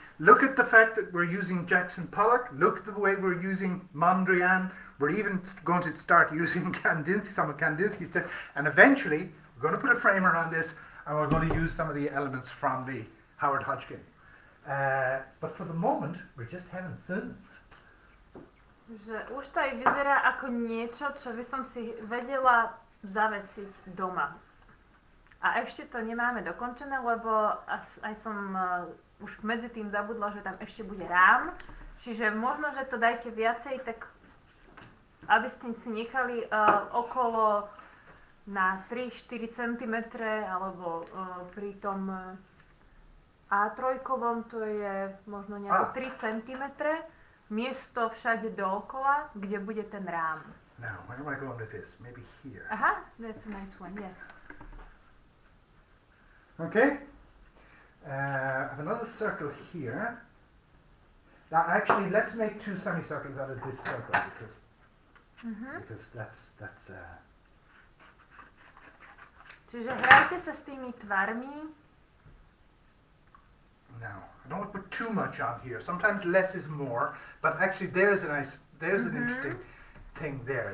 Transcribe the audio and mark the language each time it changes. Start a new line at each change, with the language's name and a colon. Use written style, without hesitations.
English: Look at the fact that we're using Jackson Pollock. Look at the way we're using Mondrian. We're even going to start using Kandinsky, some of Kandinsky stuff, and eventually we're going to put a frame around this and we're going to use some of the elements from the Howard Hodgkin. But for the moment, we're just having fun.
Slovak: Že už to aj vyzerá ako niečo, čo by som si vedela zavesiť doma. A ešte to nemáme dokončené, lebo aj som už medzi tým zabudla, že tam ešte bude rám. Čiže možno, že to dajte viacej, tak aby ste si nechali okolo na 3-4 cm, alebo pri tom A3-kovom to je možno nejako 3 cm, miesto všade dookola, kde bude ten rám.
English: Now, where am I going with this? Maybe here. Aha, that's a nice one, yes. Okay. I have another circle here. Now, actually, let's make two semicircles out of this circle, because... Mm-hmm. Because that's
Slovak: Čiže hrajte sa s tými tvarmi.
English: Now, I don't want to put too much on here. Sometimes less is more, but actually there's an interesting thing there.